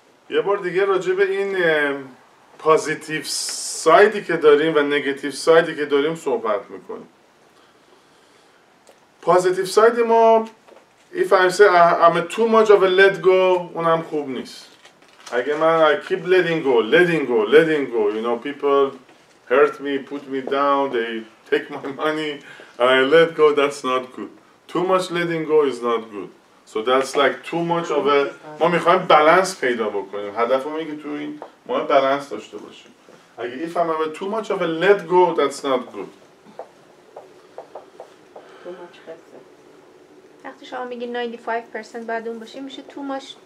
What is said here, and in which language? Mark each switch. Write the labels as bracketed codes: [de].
[fa] یه بار دیگه راجع به این پازیتیف سایدی که داریم و نگتیف سایدی که داریم صحبت میکنیم. پازیتیف ساید ما [en] if I say I'm too much of a let go، [fa] اونم خوب نیست. اگه من [en] I keep letting go you know people hurt me, put me down, they take my money and I let go، that's not good. Too much letting go is not good. So that's like too much of a... [fa] ما میخواییم بلنس پیدا بکنیم. هدف همه که تو این ما بلنس داشته باشیم. اگه [en] if I'm a too much of a let go, that's not good. [fa] وقتی شما میگید 95% باید اون باشیم، میشه [en] too much